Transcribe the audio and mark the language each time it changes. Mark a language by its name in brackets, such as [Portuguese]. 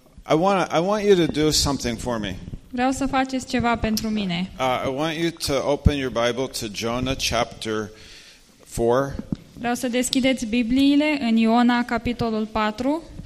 [English] I want you to do something for me. [Romanian] Vreau să faceți ceva pentru mine. [English] I want you to open your Bible to Jonah chapter 4. [Romanian] Vreau să deschideți Bibliile în Iona capitolul 4.